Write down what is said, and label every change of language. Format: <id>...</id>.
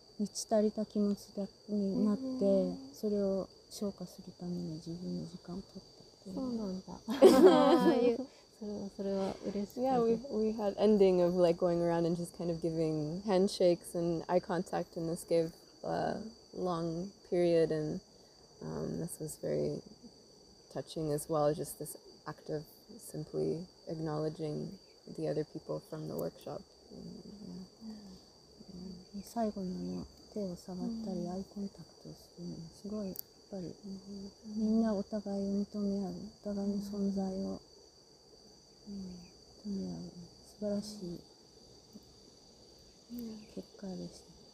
<ja>満ち足りた気持ちになって、うん、それを消化するために自分の時間を取ったっていう。そうなんだ。それは嬉しい。</ja> <en>Yeah, we had ending of like going around and just kind of giving handshakes and eye contact, and this gave a long period, and this was very touching as well. Just this act of simply acknowledging the other people from the workshop. And, yeah.</en> <ja>最後の手を触ったり、アイコンタクトするのすごいやっぱり、みんなお互いを認め合う、お互いの存在を認め合う、素晴らしい結果でした。</ja>